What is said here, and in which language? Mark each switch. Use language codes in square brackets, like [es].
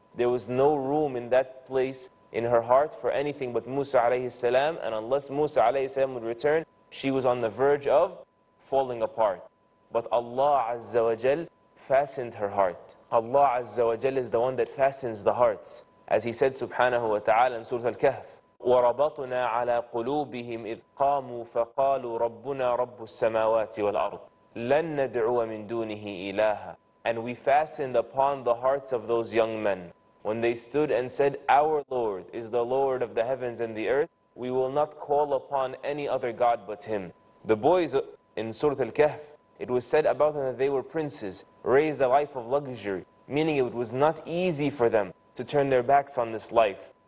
[en] There was no room in that place in her heart for anything but Musa alayhi salam, and unless Musa alayhi salam would return, she was on the verge of falling apart. But Allah Azza wa Jal fastened her heart. Allah Azza wa Jal is the one that fastens the hearts. As he said subhanahu wa ta'ala in Surah Al-Kahf, [ar] وَرَبَطْنَا عَلَىٰ قُلُوبِهِمْ إِذْ قَامُوا فَقَالُوا رَبُّنَا رَبُّ السَّمَاوَاتِ وَالْأَرْضِ لَن نَدْعُوَ مِن دُونِهِ إِلَهَا. [en] And we fastened upon the hearts of those young men. When they stood and said, our Lord is the Lord of the heavens and the earth, we will not call upon any other God but Him. The boys in Surah Al-Kahf, it was said about them that they were princes, raised a life of luxury, meaning it was not easy for them to turn their backs on this life.